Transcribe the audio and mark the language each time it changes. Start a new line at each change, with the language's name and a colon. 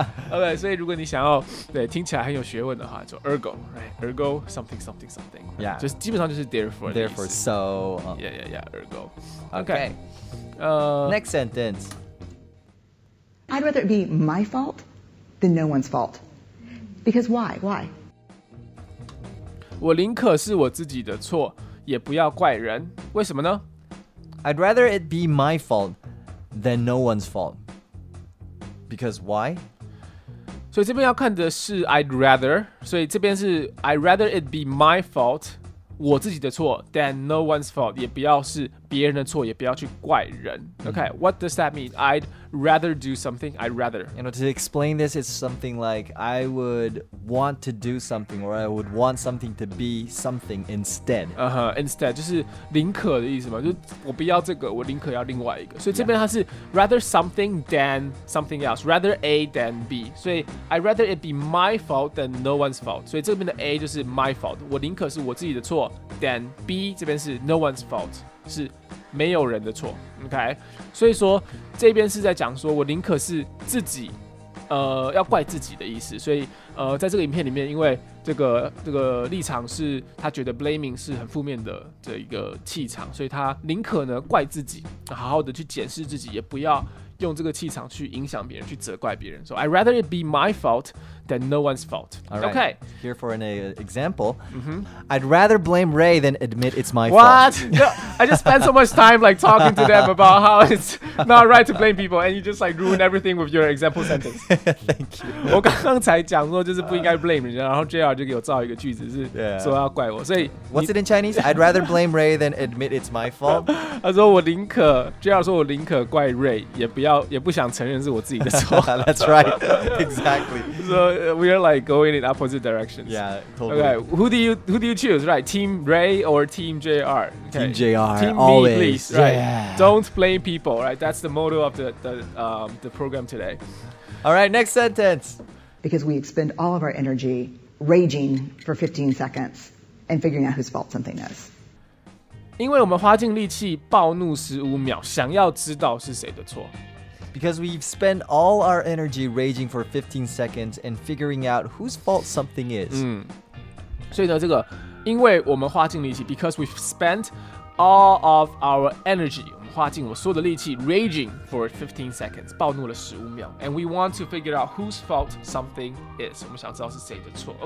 Chinese: OK， 所以如果你想要对听起来很有学问的话，就
English: ergo， right， ergo something something something， yeah，
Chinese: 就是基本上就是 therefore，
English: therefore so， yeah yeah yeah， ergo。 OK， next sentence I'd rather it be my fault than no one's fault. Because why? Why?
Chinese: 我宁可是我自己的错，也不要怪人。为什么呢？
English: I'd rather it be my fault than no one's fault. Because why?
Chinese: 所以这边要看的是
English: I'd rather.
Chinese: 所以这边是
English: I'd rather it be my fault，
Chinese: 我自己的错
English: than no one's fault，
Chinese: 也不要是别人的错，也不要去怪人。
English: Okay, what does that mean? I'd rather do something. I'd rather. You know, to explain this, it's something like I would want to do something or I would want something to be something instead. Uh-huh, instead.
Chinese: 就是宁可的意思嘛，就我不要这个，我宁可要另外一个。所以这边它是
English: rather something than something else. Rather A than B. 所以 I'd rather it be my fault than no one's fault.
Chinese: 所以这边的 A 就是
English: my fault.
Chinese: 我宁可是我自己的错
English: than B
Chinese: 这边是
English: no one's fault.
Chinese: 是没有人的错 ，OK， 所以说这边是在讲说，我宁可是自己，要怪自己的意思。所以，在这个影片里面，因为这个立场是他觉得 blaming 是很负面的这一个气场，所以他宁可呢怪自己，好好的去检视自己，也不要用这个气场去影响别人，去责怪别人。
English: So I'd rather it be my fault than no one's fault. All right. Okay. Here for an example.、Mm-hmm. I'd rather blame Ray than admit it's my fault. No, I just spent so much time like talking to them about how it's not right to blame people, and you just like ruin everything with your example sentence. Thank you.
Chinese: 我刚刚才讲说就是不应该 blame 人家，然后 JR 就给我造一个句子是说要怪我。所以
English: What's it in Chinese? I'd rather blame Ray than admit it's my fault.
Chinese: 他说我宁可 JR 说我宁可怪 Ray 也不想承认是我自己的错。
English: That's right. Exactly. So we are like going in opposite directions. Yeah, totally. Okay, who do you choose? Right, Team Ray or Team JR? Okay. Team JR. Team always. Me, please. Right. Yeah. Don't blame people. Right. That's the motto of the program today. All right. Next sentence. Because we expend all of our energy raging for 15 seconds and figuring out whose fault something is.
Chinese: 因为我们花尽力气暴怒15秒想要知道是谁的错。
English: Because we've spent all our energy raging for 15 seconds and figuring out whose fault something is.
Chinese: 所以呢这个因为我们花尽力气
English: because we've spent all of our energy,
Chinese: 我们花尽我所有的力气
English: raging for 15 seconds,
Chinese: 暴怒了15秒
English: and we want to figure out whose fault something is,
Chinese: 我们想知道是谁的错。